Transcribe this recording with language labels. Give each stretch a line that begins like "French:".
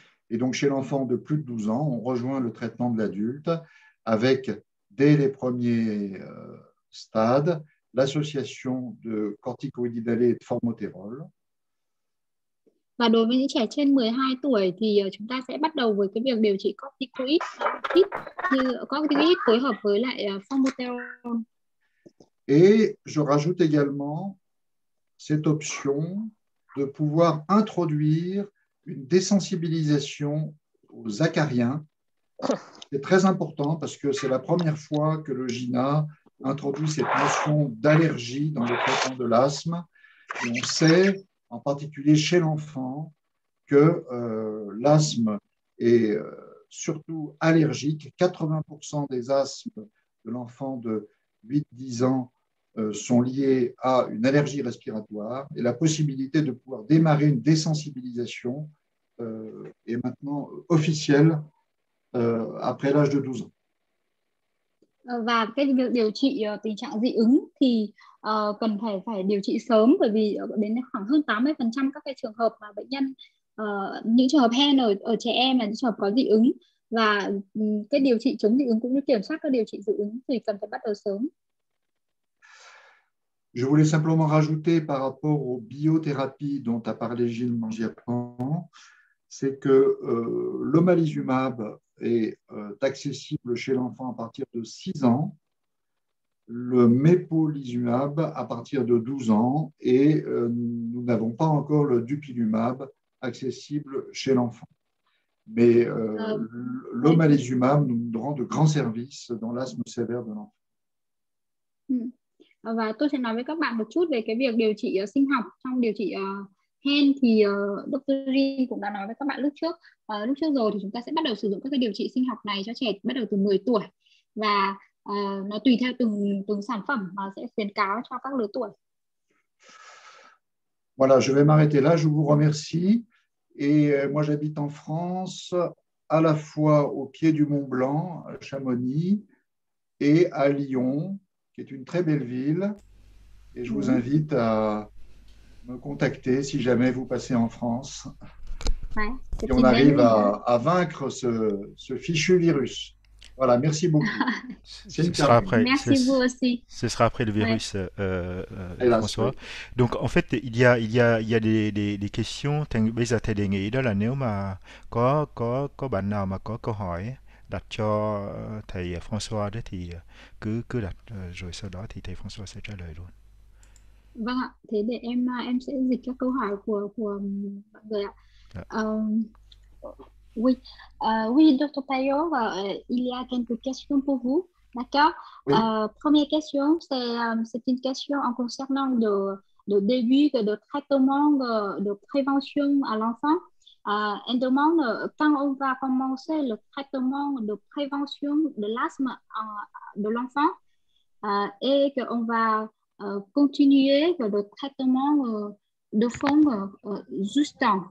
French: Et donc, chez l'enfant de plus de 12 ans, on rejoint le traitement de l'adulte avec, dès les premiers stades, l'association de corticoïdes inhalés et de formotérol.
Vietnamese: Và đối với những trẻ trên 12 tuổi thì chúng ta sẽ bắt đầu với cái việc điều trị corticoïdes phối hợp với lại formoterol.
French: Et je rajoute également cette option de pouvoir introduire une désensibilisation aux acariens. C'est très important parce que c'est la première fois que le GINA introduit cette notion d'allergie dans le traitement de l'asthme. Et on sait, en particulier chez l'enfant, que l'asthme est surtout allergique. 80% des asthmes de l'enfant de 8-10 ans sont liés à une allergie respiratoire et la possibilité de pouvoir démarrer une désensibilisation est maintenant officiel après l'âge de 12 ans.
Vietnamese: Và cái việc điều trị tình trạng dị ứng thì cần phải phải điều trị sớm bởi vì đến khoảng hơn 80% các cái trường hợp mà bệnh nhân những trường hợp hen ở ở trẻ em là những trường hợp có dị ứng và cái điều trị chống dị ứng cũng như kiểm soát các điều trị dị ứng thì cần phải bắt đầu sớm.
French: Je voulais simplement rajouter par rapport aux biothérapies dont a parlé Gilles Mangiapane, c'est que l'omalizumab est accessible chez l'enfant à partir de 6 ans, le mepolizumab à partir de 12 ans et nous n'avons pas encore le dupilumab accessible chez l'enfant. Mais l'omalizumab nous rend de grands services dans l'asthme sévère de l'enfant.
Vietnamese: Và tôi sẽ nói với các bạn một chút về cái việc điều trị sinh học trong điều trị hen thì Dr. Jean cũng đã nói với các bạn lúc trước rồi thì chúng ta sẽ bắt đầu sử dụng các cái điều trị sinh học này cho trẻ bắt đầu từ 10 tuổi và nó tùy theo từng từng sản phẩm mà sẽ khuyến cáo cho các lứa tuổi.
French: Voilà, je vais m'arrêter là. Je vous remercie. Et moi, j'habite en France, à la fois au pied du Mont Blanc, à Chamonix, et à Lyon, qui est une très belle ville. Et je vous invite à me contacter si jamais vous passez en France Ouais, et on arrive à vaincre ce fichu virus. Voilà, merci beaucoup. C'est une carte. Merci vous aussi. Ce sera après le Ouais. virus, Hélas, François. oui. Donc, en fait, il y a des questions.
Vietnamese: Bây giờ thầy đề nghị đó là nếu mà có bạn nào mà có câu hỏi đặt cho thầy François đó thì cứ cứ đặt rồi sau đó thì thầy François sẽ trả lời luôn. Vâng ạ, thế để em sẽ dịch các câu hỏi của mọi người ạ.
French: Oui, Dr. Payot, il y a quelques questions pour vous. D'accord? Oui. Première question, c'est une question en concernant le début de traitement de prévention à l'enfant. Elle demande quand on va commencer le traitement de prévention de l'asthme de l'enfant et qu'on va continuer le traitement de fond juste